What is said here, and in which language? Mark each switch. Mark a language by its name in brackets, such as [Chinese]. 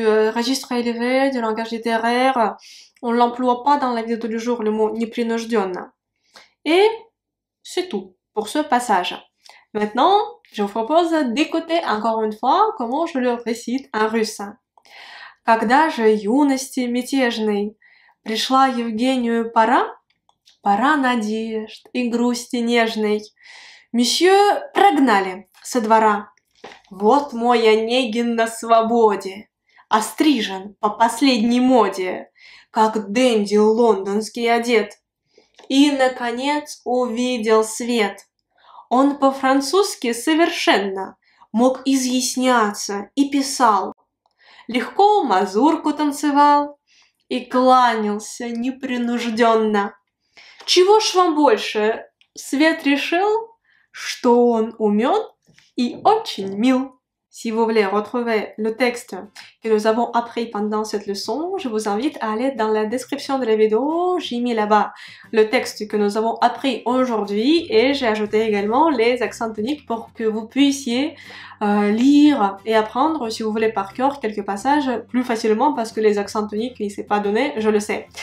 [French] registre élevé, du langage littéraire, on l'emploie pas dans la vie de tous les jours, le mot непринуждённо. Et c'est tout pour ce passage. Maintenant, je vous propose d'écouter encore une fois comment je le récite en russe. [Russian] Когда же юности мятежной пришла Евгению пора, пора надежд и грусти нежной, месье прогнали со двора. Вот мой Онегин на свободе, острижен по последней моде, как денди лондонский одет. И, наконец, увидел свет. Он по-французски совершенно мог изъясняться и писал. Легко мазурку танцевал и кланялся непринужденно. Чего ж вам больше? Свет решил, что он умен и очень мил. [French] Si vous voulez retrouver le texte que nous avons appris pendant cette leçon, je vous invite à aller dans la description de la vidéo. J'ai mis là-bas le texte que nous avons appris aujourd'hui et j'ai ajouté également les accents toniques pour que vous puissiez lire et apprendre, si vous voulez par cœur, quelques passages plus facilement parce que les accents toniques, il s'est pas donné, je le sais.